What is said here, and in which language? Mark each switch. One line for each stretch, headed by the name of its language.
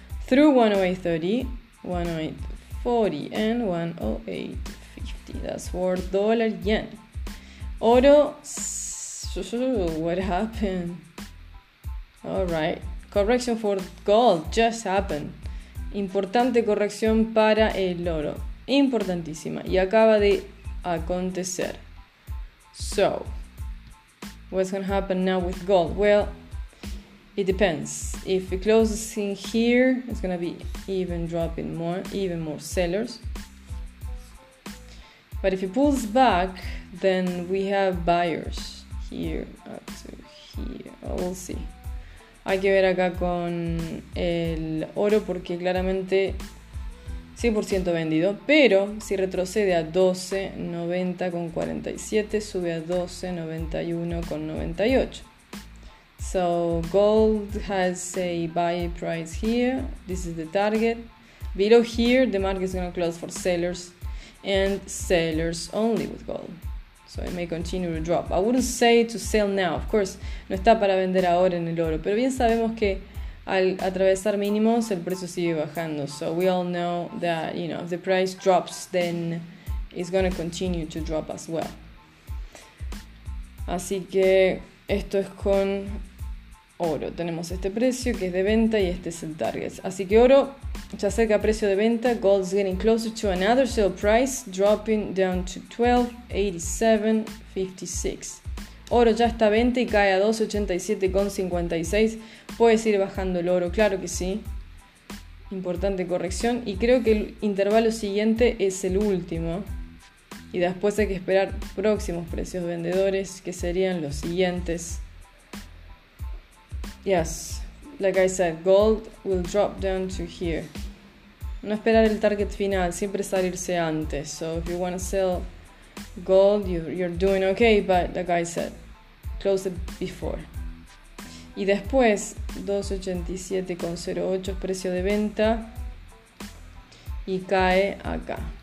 English: Through 108.30, 108.40, and 108.50. That's for dollar yen. Oro, what happened? All right. Correction for gold just happened.
Spanish: Importante corrección para el oro. Importantísima. Y acaba de acontecer.
English: So, what's going to happen now with gold? Well, it depends. If it closes in here, it's going to be even dropping more, even more sellers. But if it pulls back, then we have buyers here up to here. Well, we'll see.
Spanish: Hay que ver acá con el oro porque claramente 100% vendido. Pero si retrocede a 12.90 con 47, sube a 12.91 con 98.
English: So gold has a buy price here. This is the target. Below here, the market is going to close for sellers and sellers only with gold. So it may continue to drop. I wouldn't say to sell now. Of course,
Spanish: no está para vender ahora en el oro. Pero bien sabemos que al atravesar mínimos, el precio sigue bajando.
English: So we all know that, you know, if the price drops, then it's going to continue to drop as well.
Spanish: Así que esto es con oro. Tenemos este precio que es de venta y este es el target. Así que oro se acerca a precio de venta.
English: Gold is getting closer to another sell price, dropping down to 12.87.56.
Spanish: Oro ya está a venta y cae a 12.87.56. Puedes ir bajando el oro, claro que sí. Importante corrección. Y creo que el intervalo siguiente es el último. Y después hay que esperar próximos precios vendedores, que serían los siguientes.
English: Yes, like I said, gold will drop down to here.
Spanish: No esperar el target final, siempre salirse antes.
English: So if you want to sell gold, you're doing okay, but like I said, close it before.
Spanish: Y después, 287.08 es precio de venta y cae acá.